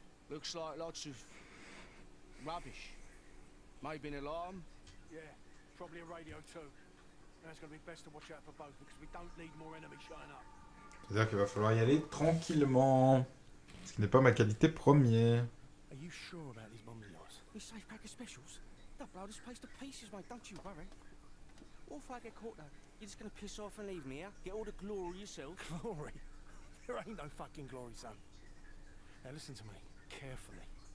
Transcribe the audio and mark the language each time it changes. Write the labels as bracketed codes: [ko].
[en] Looks like lots of rubbish. Maybe an alarm. Yeah, probably a radio too. Now it's gonna be best to watch out for both because we don't need more enemies showing up. [fr] C'est-à-dire qu'il va falloir y aller tranquillement. Ce qui n'est pas ma qualité première. [en] Are you sure about these bombs, Loss? These safe pack of specials? They'll blow this place to pieces, mate, don't you worry. What if I get caught though? You're just gonna piss off and leave me here? Get all the glory yourself. Glory? There ain't no fucking glory, son. Now listen to me. Carefully.